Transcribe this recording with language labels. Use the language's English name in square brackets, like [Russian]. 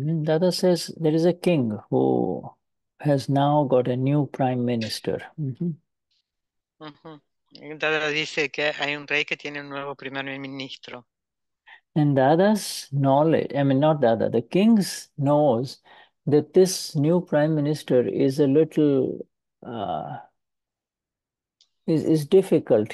[English] Dada says there is a king who has now got a new prime minister. [Spanish] Dada dice que hay un rey que tiene un nuevo primer ministro. [English] And Dada's knowledge, I mean, not Dada, the king's knows that this new prime minister is a little, is difficult.